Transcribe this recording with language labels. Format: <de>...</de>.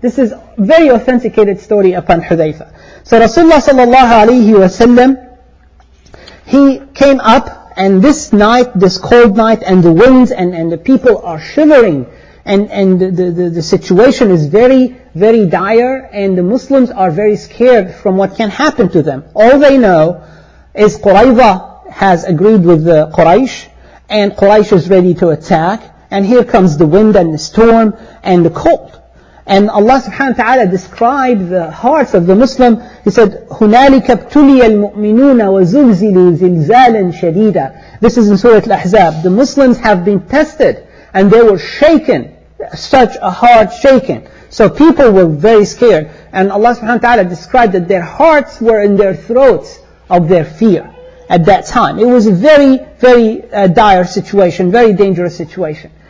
<en>This is very authenticated story upon Hudhayfa. So Rasulullah sallallahu alayhi wa sallam, he came up, and this night, this cold night, and the winds, and the people are shivering, and the situation is very, very dire, and the Muslims are very scared from what can happen to them. All they know is Qurayza has agreed with the Quraysh, and Quraysh is ready to attack, and here comes the wind and the storm and the cold. And Allah subhanahu wa ta'ala described the hearts of the Muslim. He said,</en> <ar>هُنَالِكَ ابْتُلِيَ الْمُؤْمِنُونَ وَزُلْزِلُوا زِلْزَالًا شَدِيدًا.</ar> <en>This is in Surah Al-Ahzab. The Muslims have been tested and they were shaken. Such a hard shaking. So people were very scared. And Allah subhanahu wa ta'ala described that their hearts were in their throats of their fear at that time. It was a very, very dire situation, very dangerous situation.</en>